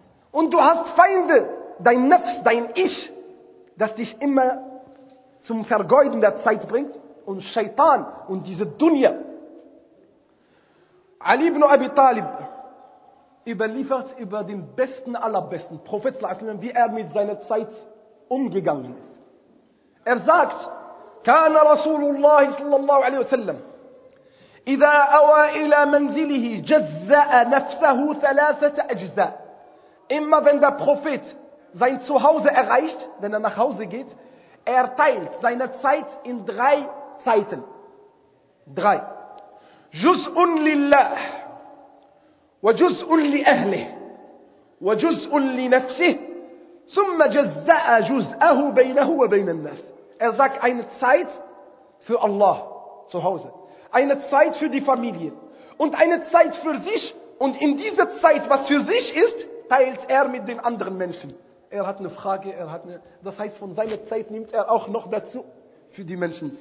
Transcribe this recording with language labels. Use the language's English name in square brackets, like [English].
[German] Und du hast Feinde, dein Nafs, dein Ich, das dich immer zum Vergeuden der Zeit bringt. Und Shaitan und diese Dunya. Ali ibn Abi Talib überliefert über den besten aller besten Prophet, wie er mit seiner Zeit umgegangen ist. Er sagt, [Arabic] كان رسول الله صلى الله عليه وسلم إذا أوى إلى منزله جزأ نفسه ثلاثة أجزاء. [German] Immer wenn der Prophet sein Zuhause erreicht, wenn er nach Hause geht, er teilt seine Zeit in drei Zeiten. Drei. [Arabic] جزء لله وجزء لأهله وجزء لنفسه ثم جزأ جزءه بينه وبين الناس. [German] Er sagt, eine Zeit für Allah zu Hause, eine Zeit für die Familie und eine Zeit für sich. Und in dieser Zeit, was für sich ist, teilt er mit den anderen Menschen. Er hat eine Frage, das heißt, von seiner Zeit nimmt er auch noch dazu für die Menschen.